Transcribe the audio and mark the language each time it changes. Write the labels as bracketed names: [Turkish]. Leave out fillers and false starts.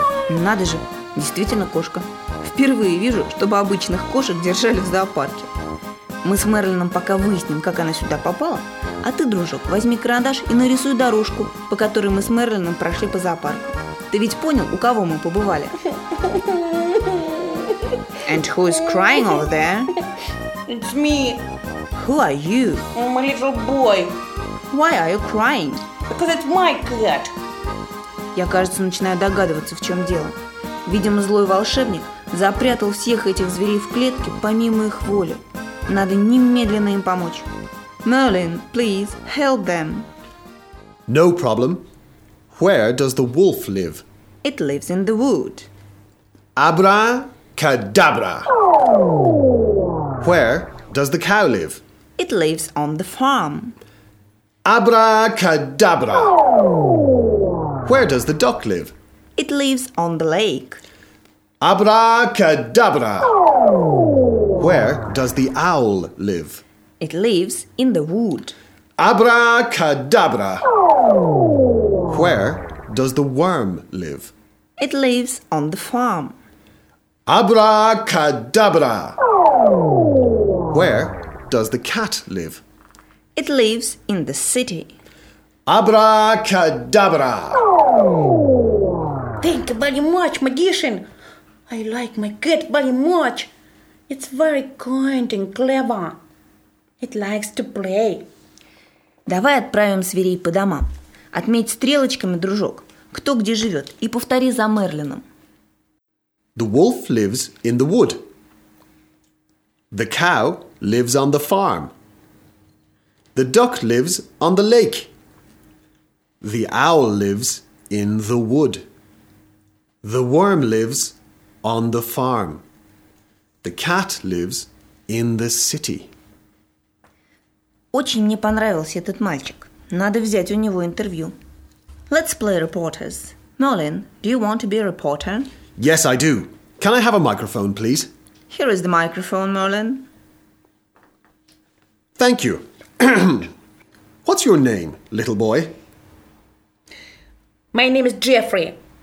[Russian] Надо же, действительно кошка. Впервые вижу, чтобы обычных кошек держали в зоопарке. Мы с Мерлином пока выясним, как она сюда попала, а ты, дружок, возьми карандаш и нарисуй дорожку, по которой мы с Мерлином прошли по зоопарку. Ты ведь понял, у кого мы побывали? [English] And who is crying over there? It's me. Who are you? I'm a little boy. Why are you crying? Because it's my cat. [Russian] Я, кажется, начинаю догадываться, в чем дело. Видимо, злой волшебник запрятал всех этих зверей в клетке помимо их воли. Надо немедленно им помочь. [English] Merlin, please, help them. No problem. Where does the wolf live? It lives in the wood. Abracadabra. Where does the cow live? It lives on the farm. Abracadabra. Where does the duck live? It lives on the lake. Abracadabra! Where does the owl live? It lives in the wood. Abracadabra! Where does the worm live? It lives on the farm. Abracadabra! Where does the cat live? It lives in the city. Abracadabra! Thank you very much, magician. I like my cat very much. It's very kind and clever. It likes to play. [Russian] Давай отправим зверей по домам. Отметь стрелочками, дружок, кто где живет, и повтори за Мерлином. [English] The wolf lives in the wood. The cow lives on the farm. The duck lives on the lake. The owl lives in the wood. The worm lives on the farm. The cat lives in the city. [Russian] Очень мне понравился этот мальчик. Надо взять у него интервью. [English] Let's play reporters. Merlin, do you want to be a reporter? Yes, I do. Can I have a microphone, please? Here is the microphone, Merlin. Thank you. What's your name, little boy? My name is Jeffrey.